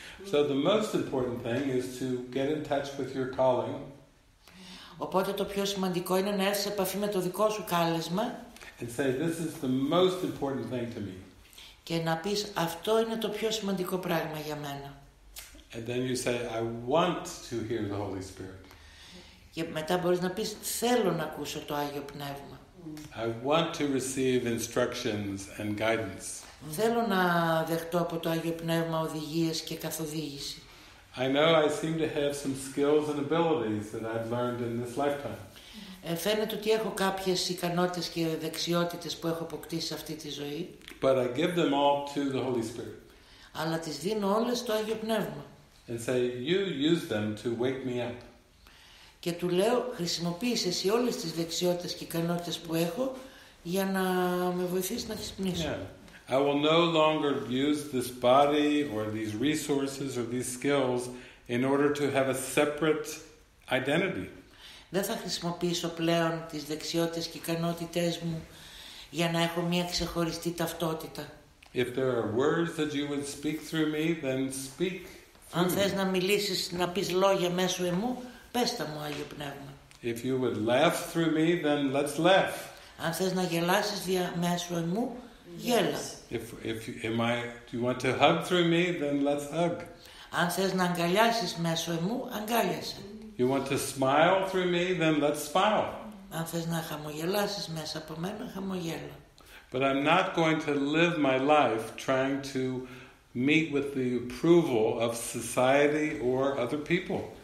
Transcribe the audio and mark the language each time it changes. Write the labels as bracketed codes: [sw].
[en] So the most important thing is to get in touch with your calling. [el] Οπότε το πιο σημαντικό είναι να έρθεις σε επαφή με το δικό σου κάλεσμα. [en] And say, this is the most important thing to me. [el] Και να πεις αυτό είναι το πιο σημαντικό πράγμα για μένα. [en] And then you say, I want to hear the Holy Spirit. [el] Και μετά μπορείς να πεις θέλω να ακούσω το Άγιο Πνεύμα. [en] I want to receive instructions and guidance. [el] Θέλω να δεχτώ από το Άγιο Πνεύμα οδηγίες και καθοδήγηση. [en] I know I seem to have some skills and abilities that I've learned in this lifetime. [el] Φαίνεται ότι έχω κάποιες ικανότητες και δεξιότητες που έχω αποκτήσει σε αυτή τη ζωή. [en] But I give them all to the Holy Spirit. [el] Αλλά τις δίνω όλες στο Άγιο Πνεύμα. [en] And say, you use them to wake me up. [el] Και του λέω, χρησιμοποίησε εσύ όλες τις δεξιότητες και ικανότητες που έχω για να με βοηθήσει να ξυπνήσω. [en] Yeah. I will no longer use this body or these resources or these skills in order to have a separate identity. [el] Δεν θα χρησιμοποιήσω πλέον τις δεξιότητες και ικανότητες μου για να έχω μια ξεχωριστή ταυτότητα. [en] If there are words that you would speak through me, then speak. [el] Αν θες να μιλήσεις, να πεις λόγια μέσω εμού, πες τα μου, Άγιο Πνεύμα. [en] If you would laugh through me, then let's laugh. [el] Αν θες να γελάσεις μέσω εμού, γέλα. [en] Do you want to hug through me, then let's hug. [el] Αν θες να αγκαλιάσεις μέσω εμού, αγκάλιασε. [en] You want to smile through me, then let's smile. [el] Αν θες να χαμογελάσεις μέσα από μένα, χαμογέλα. [en] But I'm not going to live my life trying to meet with the approval of society or other people.